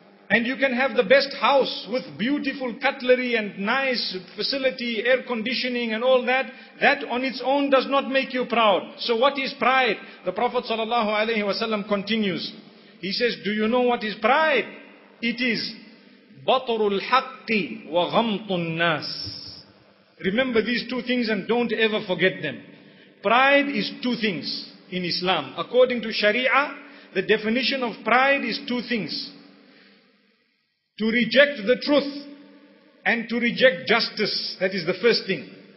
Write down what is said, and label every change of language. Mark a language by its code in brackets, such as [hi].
[en] And you can have the best house with beautiful cutlery and nice facility, air conditioning and all that. That on its own does not make you proud. So what is pride? The Prophet sallallahu alayhi wa sallam continues. He says, do you know what is pride? It is [ar] بَطْرُ الْحَقِّ وَغَمْطُ النَّاسِ. [en] Remember these two things and don't ever forget them. Pride is two things in Islam. According to Sharia, the definition of pride is two things. To reject the truth and to reject justice, that is the first thing.